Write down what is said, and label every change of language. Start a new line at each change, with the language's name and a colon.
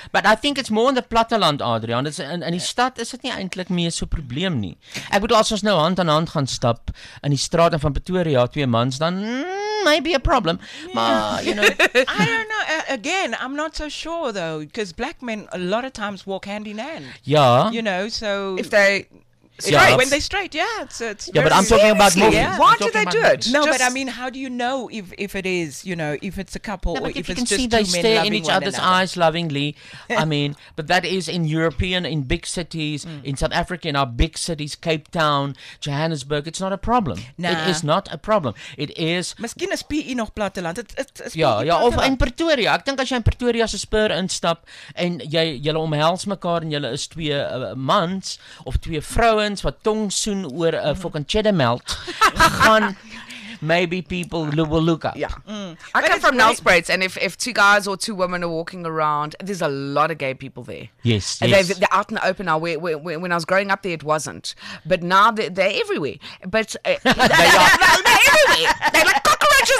English: But I think it's more in the platteland, Adrian.
Afrikaans: It's in die stad is dit nie eintlik meer so 'n probleem nie. Ek bedoel, as ons nou hand aan hand gaan stap in die straat van Pretoria, twee mans, dan
English: may be a problem.
Afrikaans: Maar,
English: you know. I don't know. Again, I'm not so sure, though, because black men a lot of times walk hand in hand. Yeah. You know, so if they when they're straight, yeah. It's yeah, but I'm talking about movies. Yeah. Why do they do it? No, just, but I mean, how do you know if it is, you know, if it's a couple or if it's just two men loving one another? They stare in each other's eyes lovingly. I mean, but that is in European, in big cities, in South Africa, in our big cities, Cape Town, Johannesburg, it's not a problem. Nah. It is not a problem. It is...
Afrikaans: Miskien is PE nog platteland. Ja, of in Pretoria. Ek dink as jy in Pretoria se spur instap en jy omhels mekaar en jy is twee mans of twee vrouens wat tong soen oor 'n fucking cheddar melt, gaan...
English: Maybe people will look up. Yeah. Mm. I come from Nelspruit, and if two guys or two women are walking around, there's a lot of gay people there. Yes, and yes. They're out in the open now. When I was growing up there, it wasn't. But now they're everywhere. But they're everywhere. They're like cockroaches.